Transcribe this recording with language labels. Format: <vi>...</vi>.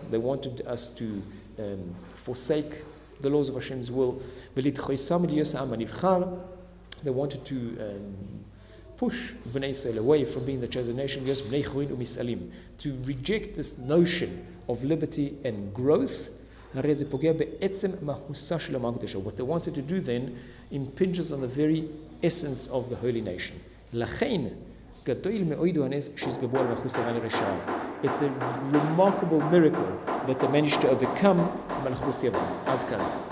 <en>They wanted us to forsake the laws of Hashem's will.</en> <he>V'litchoisam l'yos ha'am ha'nivchar.</he> <en>They wanted to push Bnei Yisrael away from being the chosen nation, yes, Bnei Chorin u'Misalim, to reject this notion of liberty and growth.</en> <he>הרי זה פוגע בעצם מהוסה של עולם הקדושה.</he> <en>What they wanted to do then impinges on the very essence of the holy nation.</en> <he>לכן, גדול מאוד הוא הנס שהתגברו על מלכות סיוון הרשעה.</he> <en>It's a remarkable miracle that they managed to overcome מלכות סיוון.</en> <he>עד כאן.</he>